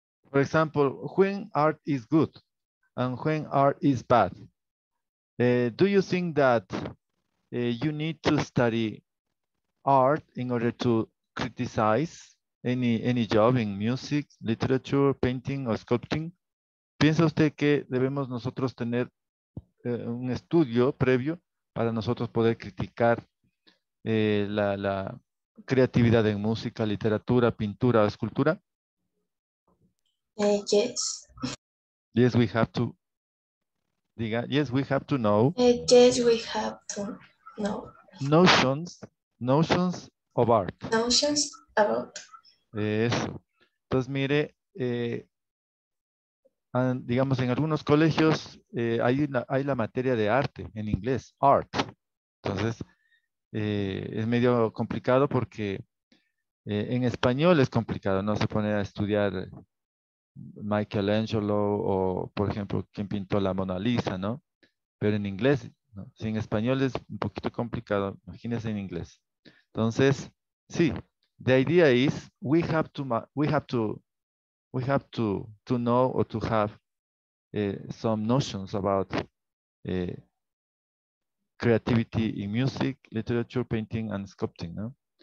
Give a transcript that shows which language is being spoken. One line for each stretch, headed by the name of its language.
English: For example, when art is good and when art is bad. Do you think that you need to study art in order to criticize any job in music, literature, painting or sculpting?
Spanish: ¿Piensa usted que debemos nosotros tener un estudio previo para nosotros poder criticar la creatividad en música, literatura, pintura o escultura?
English: Yes. Yes, we have to.
Spanish: Diga,
English: yes, we have to know. Yes, we have to know. Notions of art. Notions about.
Spanish: Eso. Entonces, mire, digamos, en algunos colegios hay la materia de arte en inglés, art. Entonces, es medio complicado porque en español es complicado, ¿no? Se pone a estudiar Michelangelo o, por ejemplo, quien pintó la Mona Lisa, ¿no? Pero en inglés, ¿no? Si en español es un poquito complicado, imagínese en inglés. Entonces, sí,
English: the idea is we have to know or to have some notions about creativity in music, literature, painting, and sculpting, ¿no?